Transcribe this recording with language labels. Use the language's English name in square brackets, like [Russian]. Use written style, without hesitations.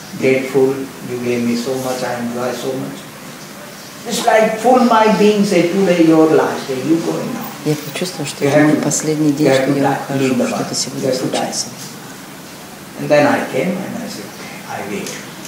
[English] Grateful, you gave me so much, I enjoy so much. It's like full my being say, today your last day, you going now. [Russian] Я почувствовал, что это мой последний день, что я ухожу, что это сегодня случится. [English] And then I came and I said, I wait.